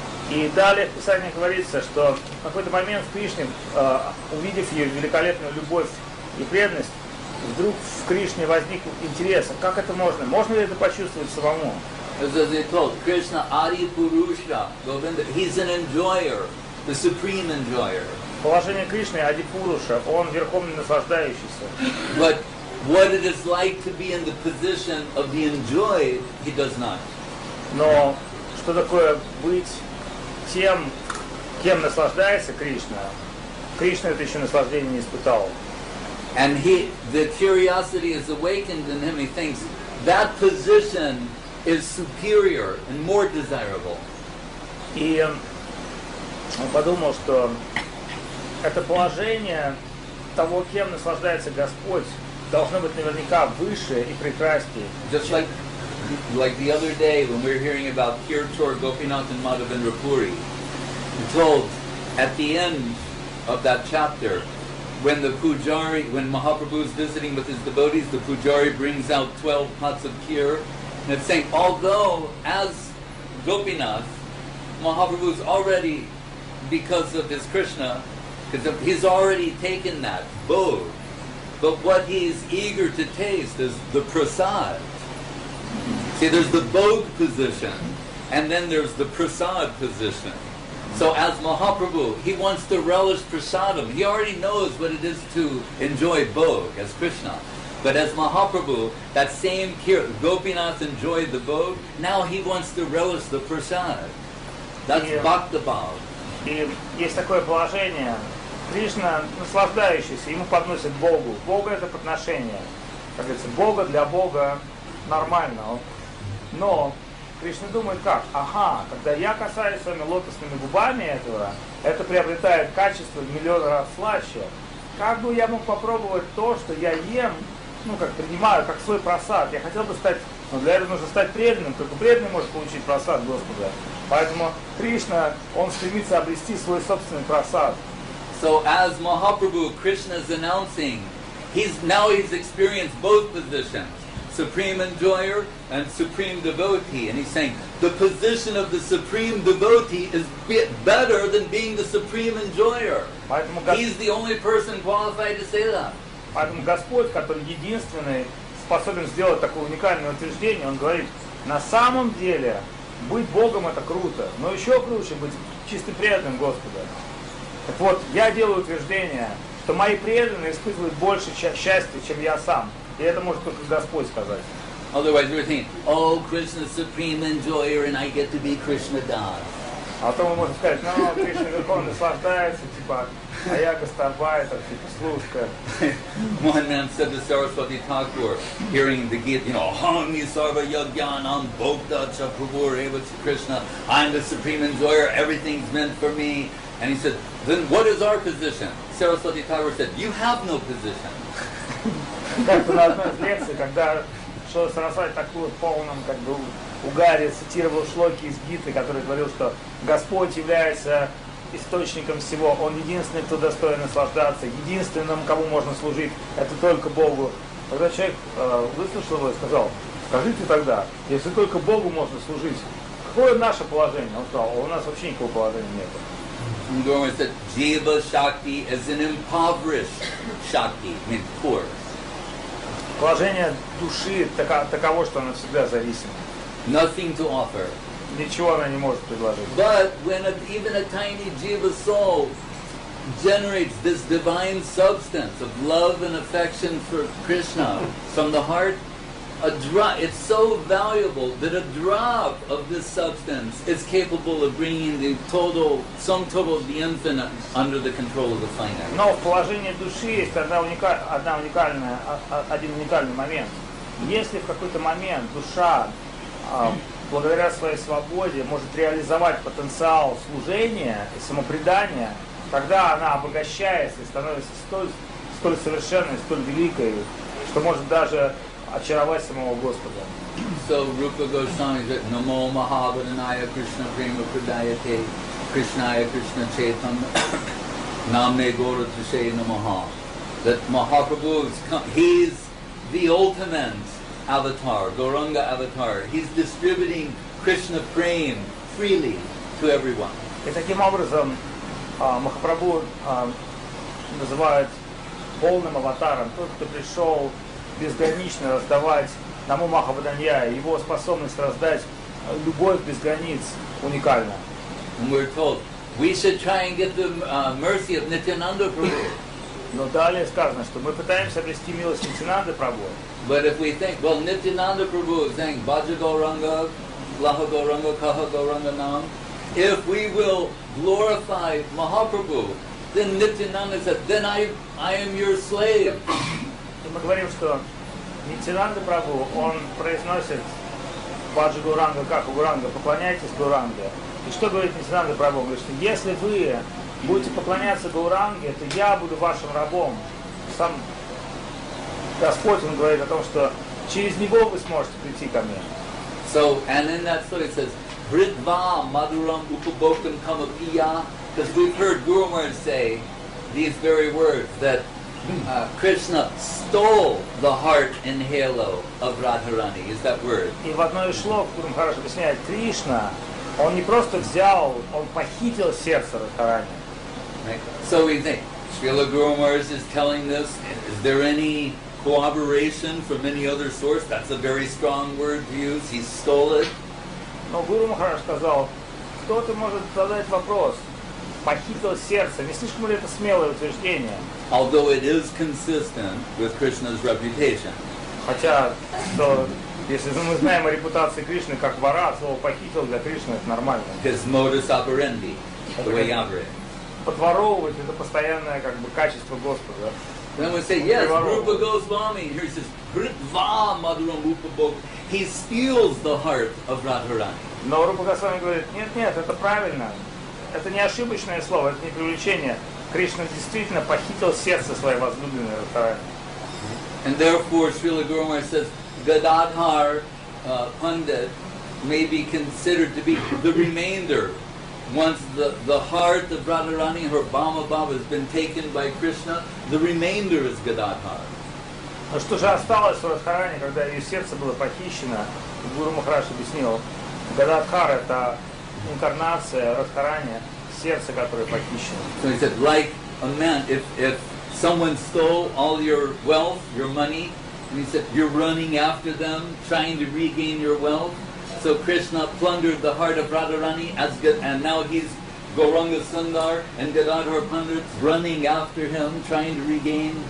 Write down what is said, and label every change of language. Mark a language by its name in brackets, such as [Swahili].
[Russian] И далее в Писании говорится, что в какой-то момент в Кришне, увидев ее великолепную любовь и преданность, вдруг в Кришне возник интерес. Как это можно? Можно ли это почувствовать самому? [English] Кришна Ади Пуруша, Говинда, he's an enjoyer, the supreme enjoyer. [Russian] Положение Кришны Ади Пуруша, он верховный наслаждающийся. [English] But what it is like to be in the position of the enjoyed, he does not. [Russian] Но что такое быть тем, кем наслаждается Кришна? Кришна это еще наслаждение не испытал. [English] And the curiosity is awakened in him. He thinks that position is superior and more desirable. [Russian] И он подумал, что это положение того, кем наслаждается Господь, должно быть наверняка выше и прекраснее. [English] Just like the other day when we were hearing about Kirtor Gopinath and Madhavendra Puri. Told at the end of that chapter, when Mahaprabhu is visiting with his devotees, the pujari brings out 12 pots of kheer, and it's saying, although as Gopinath, Mahaprabhu is already, because of his Krishna, he's already taken that bowl, but what he's eager to taste is the prasad. See, there's the bowl position, and then there's the prasad position. So as Mahaprabhu, he wants to relish prasadam. He already knows what it is to enjoy bhog as Krishna. But as Mahaprabhu, that same Gopinath enjoyed the bhog, now he wants to relish the prasad. That's bhakta bhav. [Russian] И есть такое положение. Кришна наслаждающийся, ему подносит Богу. Бога это подношение. Как говорится, Бога для Бога нормально. Но Кришна думает как? Ага, когда я касаюсь своими лотосными губами этого, это приобретает качество в миллион раз слаще. Как бы я мог попробовать то, что я ем, ну как принимаю, как свой просад? Я хотел бы стать, но для этого нужно стать преданным, только преданный может получить просад Господа. Поэтому Кришна, он стремится обрести свой собственный просад. [English] So as Mahaprabhu, Krishna is announcing, he's experienced both positions. Supreme enjoyer and supreme devotee, and he's saying the position of the supreme devotee is better than being the supreme enjoyer. He's the only person qualified to say that. [Russian] Поэтому Господь, который единственный способен сделать такое уникальное утверждение, он говорит: на самом деле быть Богом это круто, но еще круче быть чистым преданным Господа. Так вот, я делаю утверждение, что мои преданные испытывают больше счастья, чем я сам. И это может только Господь сказать. [English] Otherwise, you're thinking, oh, Krishna supreme enjoyer, and I get to be Krishna das. [Russian] А то мы можем сказать, ну, Кришна верховный наслаждается, типа, а я гастарбайтер, типа, служка. [English] One man said to Saraswati Thakur, hearing the Gita, you know, [Sanskrit] aham sarva yajnanam bhokta cha prabhu eva cha [English] Krishna, I'm the supreme enjoyer, everything's meant for me. And he said, then what is our position? Saraswati Thakur said, you have no position. [Russian] Как-то на одной из лекций, когда Шрила Сарасвати Такур в полном как бы угаре цитировал шлоки из Гиты, который говорил, что Господь является источником всего, Он единственный, кто достоин наслаждаться, единственным, кому можно служить, это только Богу. Тогда человек выслушал его и сказал, скажите тогда, если только Богу можно служить, какое наше положение? Он сказал, у нас вообще никакого положения нет. [English] Гурма said, Jiva Shakti is an impoverished Shakti, meaning poor. [Russian] Положение души таково, что она всегда зависима. [English] Nothing to offer. [Russian] Ничего она не может предложить. [English] But when even a tiny jiva soul generates this divine substance of love and affection for Krishna from the heart, a drop, it's so valuable that a drop of this substance is capable of bringing the total, sum total of the infinite under the control of the finite. [Russian] Но в положении души есть один уникальный момент. Если в какой-то момент душа, благодаря своей свободе, может реализовать потенциал служения и самопредания, тогда она обогащается и становится столь совершенной, столь великой, что может даже очаровать самого Господа. [Sanskrit] So Rupa Goswami said, Namo Mahabhadanaya Krishna Prema Pradayate Krishnaya Krishna Chaitanya Namne Gora Tushay Namaha. [English] That Mahaprabhu, he's the ultimate avatar, Gauranga avatar. He's distributing Krishna Prema freely to everyone. [Russian] И таким образом Махапрабху называют полным аватаром тот, кто пришел безгранично раздавать Наму Махабхадания, его способность раздать любовь без границ уникальна. [English] We're told we should try and get the mercy of Nityananda Prabhu. [Russian] Но далее сказано, что мы пытаемся обрести милость Нитянанды Прабху. [English] But if we think, well, Nityananda Prabhu is saying [Bangla] Bhaja Gauranga, Laha Gauranga, Kaha Gauranga Nam. [English] If we will glorify Mahaprabhu, then Nityananda said, then I am your slave. [Russian] Мы говорим, что Нитянанда Прабху, он произносит Бхаджа Гауранга, как Гауранга, поклоняйтесь Гауранге. И что говорит Нитянанда Прабху? Он говорит, что если вы будете поклоняться Гауранге, то я буду вашим рабом. Сам Господь, он говорит о том, что через него вы сможете прийти ко мне. [English] So, and in that story it says, [Sanskrit] Бритва мадурам упубокам камапия, [English] because we've heard Guru Maharaj say these very words, that Krishna stole the heart and halo of Radharani. Is that word? [Russian] И в одной из шлок, которым хорошо объясняет, Кришна, он не просто взял, он похитил сердце Радхарани. [English] So we think, Srila Guru Maharaj is telling this, is there any corroboration from any other source? That's a very strong word to use, he stole it. [Russian] Но Гуру Махарадж сказал, кто-то может задать вопрос, похитил сердце, не слишком ли это смелое утверждение? [English] Although it is consistent with Krishna's reputation. [Russian] Хотя, что, если мы знаем о репутации Кришны как вора, слово похитил для Кришны это нормально. [English] His modus operandi, the way he operated. [Russian] Подворовывать это постоянное как бы качество Господа. [English] Then we say, yes, Rupa Goswami, here he says, [Sanskrit] Britva Madhuram Upabok, [English] he steals the heart of Radharani. [Russian] Но Рупа Госвами говорит, нет, это правильно. Это не ошибочное слово, это не привлечение. Кришна действительно похитил сердце своей возлюбленной Радхарани. [English] And therefore, Srila Guru Maharaj says, Gadadhar Pandit may be considered to be the remainder. Once the heart of Radharani, her Bhama Bhava, has been taken by Krishna, the remainder is Gadadhar. [Russian] А что же осталось у Радхарани, когда ее сердце было похищено? Гуру Махарадж объяснил, Гададхар — это инкарнация Радхарани, сердце, которое похищено. [English] So he said, like a man, if someone stole all your wealth, your money, and he said, you're running after them, trying to regain your wealth, so Krishna plundered the heart of Radharani, and now he's Gauranga Sundar and Gadadhar Pandit running after him, trying to regain.